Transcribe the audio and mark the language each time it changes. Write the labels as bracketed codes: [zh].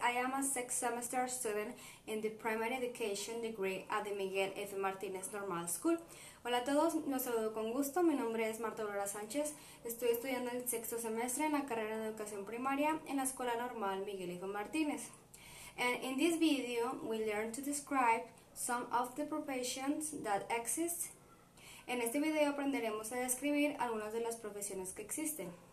[en] I am a sixth semester student in the primary education degree at the Miguel F. [es] Martínez Normal School. Hola a todos, los saludo con gusto. Mi nombre es Marta Aurora Sánchez. Estoy estudiando el sexto semestre en la carrera de educación primaria en la Escuela Normal Miguel F. Martínez. [en] And in this video, we learn to describe some of the professions that exist. [es] En este video aprenderemos a describir algunas de las profesiones que existen.